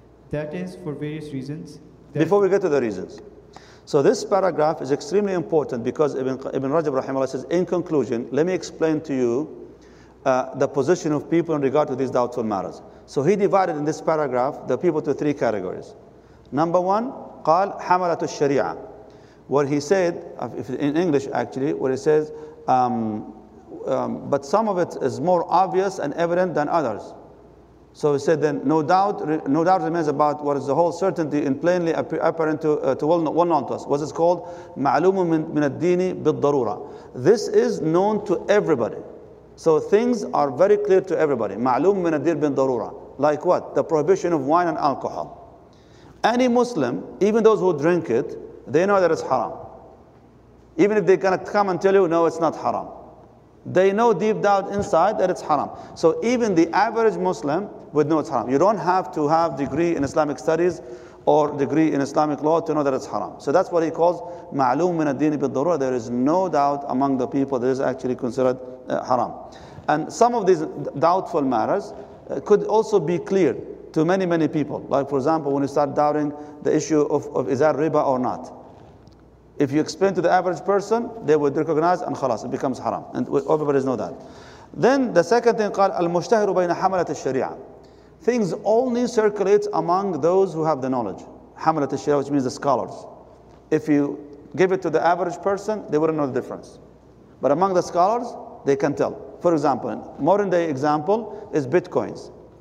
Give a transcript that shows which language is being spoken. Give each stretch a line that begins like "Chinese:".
English: That is for various reasons. Before we get to the reasons. So this paragraph is extremely important because Ibn Rajab rahimahullah says, in conclusion, let me explain to you the position of people in regard to these doubtful matters. So he divided in this paragraph the people to three categories. Number one,
Arabic: قال حملت الشريعة.
English: Where he said, in English actually, where he says, but some of it is more obvious and evident than others. So he said, then no doubt remains about what is the whole certainty and plainly apparent to well known to us. What is called
Arabic: معلوم من الدين بالضرورة.
English: This is known to everybody. So things are very clear to everybody.
Arabic: معلوم من الدين بالضرورة.
English: Like what? The prohibition of wine and alcohol. Any Muslim, even those who drink it, they know that it's haram. Even if they cannot come and tell you, no, it's not haram. They know deep down inside that it's haram. So even the average Muslim would know it's haram. You don't have to have degree in Islamic studies or degree in Islamic law to know that it's haram. So that's what he calls ma'lum min ad-din bid-darura. There is no doubt among the people that is actually considered haram. And some of these doubtful matters could also be clear to many, many people. Like for example, when you start doubting the issue of is that riba or not. If you explain to the average person, they would recognize and khalas, it becomes haram. And everybody knows that. Then the second thing,
Arabic: قال المشتهر بين حملة الشريعة.
English: Things only circulate among those who have the knowledge.
Arabic: حملة الشريعة,
English: which means the scholars. If you give it to the average person, they wouldn't know the difference. But among the scholars, they can tell. For example, modern day example is bitcoins.